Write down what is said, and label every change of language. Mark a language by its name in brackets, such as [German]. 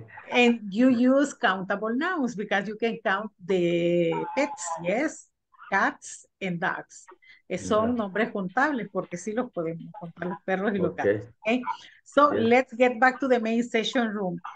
[English] And you use countable nouns because you can count the pets, yes, cats and dogs. [Spanish] Son nombres contables porque sí los podemos contar los perros y los gatos. [English] Okay. So yeah. Let's get back to the main session room.